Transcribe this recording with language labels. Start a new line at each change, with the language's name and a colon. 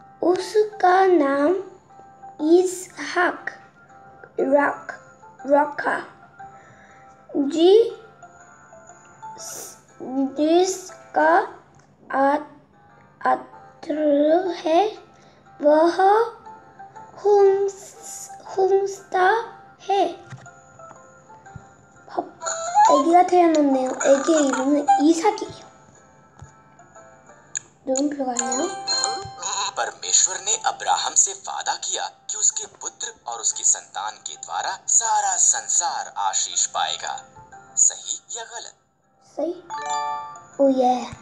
Hindi: उसका नाम इसहाक रखा, जिसका अर्थ है वह हमसा है।
Korean: 애기가 태어났네요. 애기의 이름은 이삭이에요. 너무 별거
Hindi: परमेश्वर ने अब्राहम से वादा किया कि उसके पुत्र और उसकी संतान के द्वारा सारा संसार आशीष पाएगा। सही या गलत? सही। ओ ये।